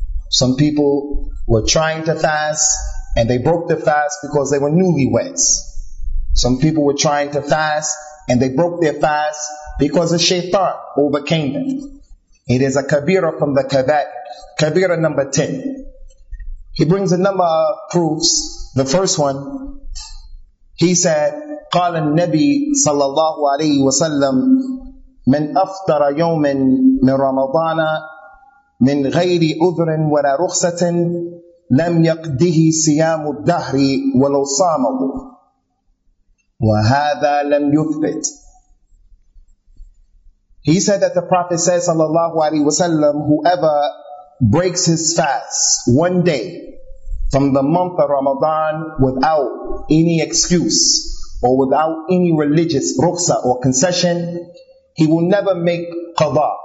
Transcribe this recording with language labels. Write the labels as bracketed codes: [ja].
[en] Some people were trying to fast and they broke their fast because they were newlyweds. Some people were trying to fast and they broke their fast because the shaitan overcame them. It is a kabira from the kabair, kabira number 10. He brings a number of proofs. The first one, he said, [ar] قال النبي صلى الله عليه وسلم من أفطر يوما من رمضان من غير عذر ولا رخصة لم يقضه صيام الدهر ولو صامه وهذا لم يثبت. [en] He said that the Prophet says [ar] صلى الله عليه وسلم, [en] whoever breaks his fast one day from the month of Ramadan without any excuse or without any religious ruqsa or concession, he will never make qada.